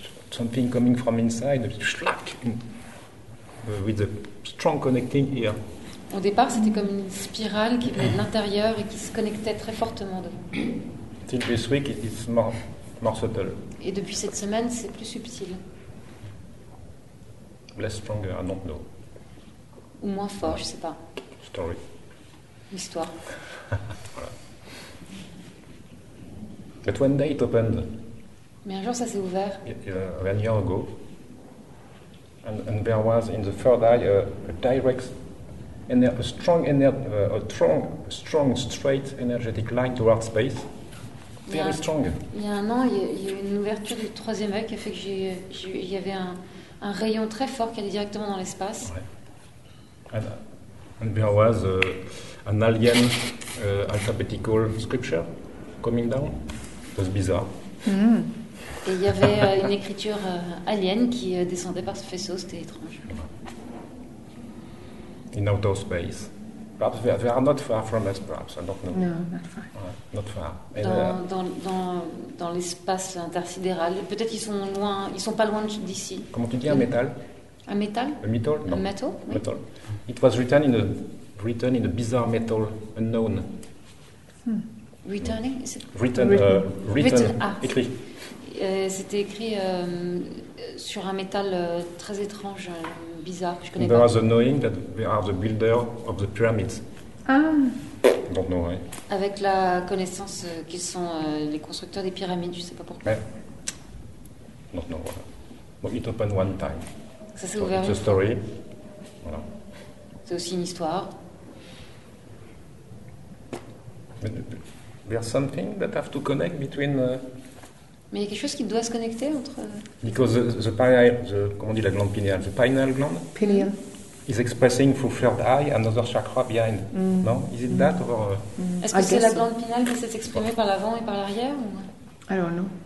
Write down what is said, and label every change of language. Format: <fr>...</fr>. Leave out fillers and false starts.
<en>Something coming from inside, schlack, with the strong connecting here.</en> <fr>Au départ, c'était comme une spirale qui venait de l'intérieur et qui se connectait très fortement devant.</fr> <en>Till this week, it's more subtle.</en> <fr>Et depuis cette semaine, c'est plus subtil.</fr> <en>Less stronger, I don't know.</en> <fr>ou moins fort, je sais pas.</fr> <en>Story.</en> <fr>Histoire.</fr> <en>But one day it opened.</en> <fr>Mais un jour ça s'est ouvert.</fr> <en>One year ago. And there was in the third eye a direct a strong straight energetic line towards space. Very strong.</en> <fr>Il y a un an, il y a eu une ouverture du troisième œil qui a fait que il y avait un rayon très fort qui allait directement dans l'espace. Ouais.</fr> <en>And there was an alien alphabetical scripture coming down. It was bizarre. Mm.</en> <fr>Et il y avait une écriture alien qui descendait par ce faisceau. C'était étrange.</fr> <en>In outer space. Perhaps we are not far from us, perhaps. I don't know. No, not far. Ouais, not far.</en> <fr>Dans l'espace intersidéral. Peut-être qu'ils sont loin. Ils sont pas loin d'ici. Comment tu dis un métal? Un métal?</fr> <en>A metal? Non. A metal? Oui. Metal. It was written in a bizarre metal, unknown. Hmm. Returning? Written. Écrit.</en> <fr>C'était écrit sur un métal très étrange, bizarre, que je connais</fr> <en>there</en> <fr>pas.</fr> <en>There was a knowing that we are the builder of the pyramids. Ah. I don't know, right?</en> <fr>Avec la connaissance qu'ils sont les constructeurs des pyramides, je ne sais pas pourquoi.</fr> <en>I don't know. But it opened one time.</en> <fr>Ça s'est ouvert.</fr> <en>It's a story. Voilà.</en> <fr>C'est aussi une histoire.</fr> <en>But there's something that have to connect between...</en> <fr>Mais il y a quelque chose qui doit se connecter entre.</fr> <en>Because</en> <fr>la glande pinéale,</fr> <en>the pineal gland. Pineal. Is expressing through third eye another chakra behind. Mm. Non, is it that or? Mm.</en> <fr>Est-ce que c'est la glande pinéale qui s'est exprimée par l'avant et par l'arrière ou?</fr> <en>I don't know.</en>